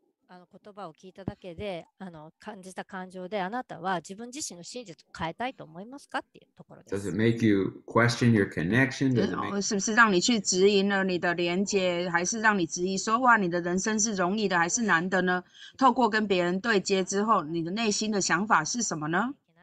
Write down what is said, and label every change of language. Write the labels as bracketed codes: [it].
[ja] 言葉を聞いただけで感じた感情であなたは自分自身の真実を変えたいと思いますかっていうところです。 [en] Does it make you question your connection? Does it make... [zh] 是不是让你去质疑了你的连接，还是让你质疑说哇，你的人生是容易的还是难的呢？透过跟别人对接之后，你的内心的想法是什么呢？